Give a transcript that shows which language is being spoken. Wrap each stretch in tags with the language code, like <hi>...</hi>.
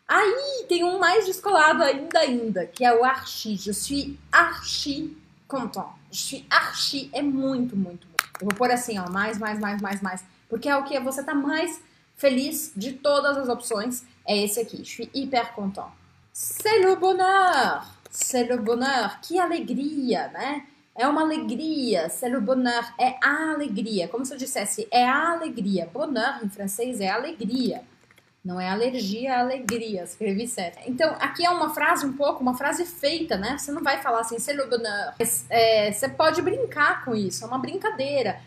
<pt>Aí tem um mais descolado ainda, que é o archi.</pt> <fr>Je suis archi content. Je suis archi</fr> <pt>é muito, muito, muito. Eu vou pôr assim, ó, mais, mais, mais, mais, mais, porque é o que você tá mais feliz de todas as opções, é esse aqui.</pt> <fr>Je suis hyper content. C'est le bonheur, c'est le bonheur,</fr> <pt>que alegria, né? É uma alegria,</pt> <fr>c'est le bonheur,</fr> <pt>é a alegria, como se eu dissesse, é a alegria. Bonheur em francês é alegria, não é alergia, é alegria, escrevi certo. Então, aqui é uma frase um pouco, uma frase feita, né? Você não vai falar assim,</pt> <fr>c'est le bonheur,</fr> <pt>você pode brincar com isso, é uma brincadeira.</pt>